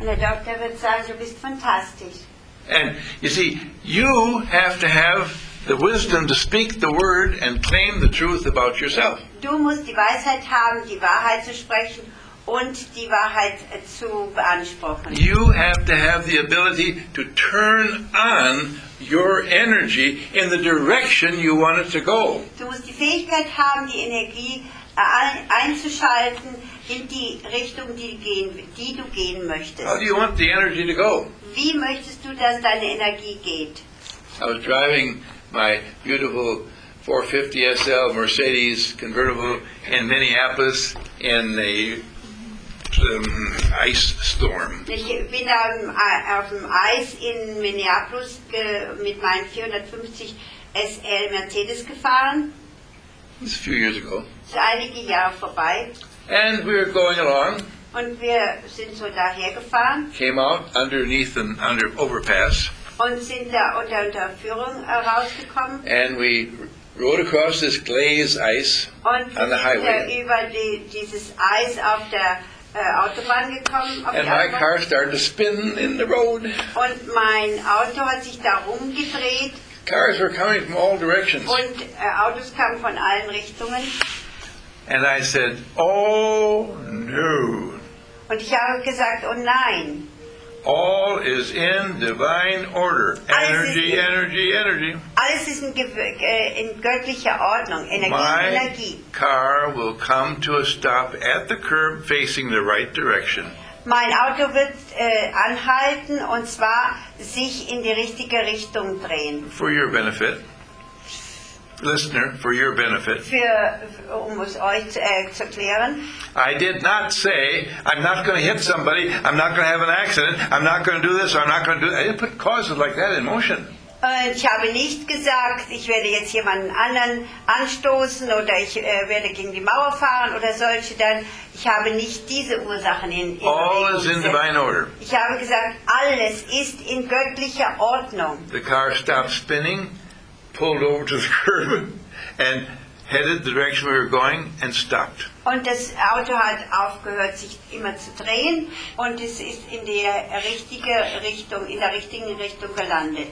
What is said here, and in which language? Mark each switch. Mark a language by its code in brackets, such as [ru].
[de] Und der Doktor wird sagen, du bist fantastisch. [en] And you see, you have to have the wisdom to speak the word and claim the truth about yourself. [de] Du musst die Weisheit haben, die Wahrheit zu sprechen und die Wahrheit zu beanspruchen. [en] You have to have the ability to turn on your energy in the direction you want it to go. [de] Du musst die Fähigkeit haben, die Energie einzuschalten in die Richtung, die du gehen möchtest. [en] How do you want the energy to go? [de] wie möchtest du, dass deine Energie geht? [en] I was driving my beautiful 450 SL Mercedes convertible in Minneapolis in the ice storm. [de] Ich bin da auf dem Eis in Minneapolis mit meinem 450 SL Mercedes gefahren. [en] It's a few years ago. [de] So einige Jahre vorbei. [en] And we were going along. [de] Und wir sind so daher gefahren. [en] Came out underneath an under overpass. [de] Und sind da unter Unterführung rausgekommen. [en] And we rode across this glazed ice [de] und [en] on the highway. [de] Und sind über dieses Eis auf der Autobahn gekommen. Auf [en] and my car started to spin in the road. [de] Und mein Auto hat sich da rumgedreht. [en] Cars were coming from all directions. [de] Und Autos kamen von allen Richtungen. [en] And I said, oh no. [de] Und ich habe gesagt, oh nein. [en] All is in divine order. Energy, energy, energy. [de] Alles ist in göttlicher Ordnung. Energie, Energie. [en] My car will come to a stop at the curb facing the right direction. [de] Mein Auto wird anhalten und zwar sich in die richtige Richtung drehen. [en] For your benefit. Listener, for your benefit. [de] Um es euch zu erklären. [en] I did not say, I'm not going to hit somebody, I'm not going to have an accident, I'm not going to do this, or I'm not going to do that. I didn't put causes like that in motion. [de] Und ich habe nicht gesagt, ich werde jetzt jemanden anderen anstoßen oder ich werde gegen die Mauer fahren oder solche. Dann ich habe nicht diese Ursachen in [en] All is in divine order. [de] Ich habe gesagt, alles ist in göttlicher Ordnung. [en] The car stopped spinning, pulled over to the curb and headed the direction we were going and stopped. [de] Und das Auto hat aufgehört, sich immer zu drehen und es ist in der richtigen Richtung, in der richtigen Richtung gelandet.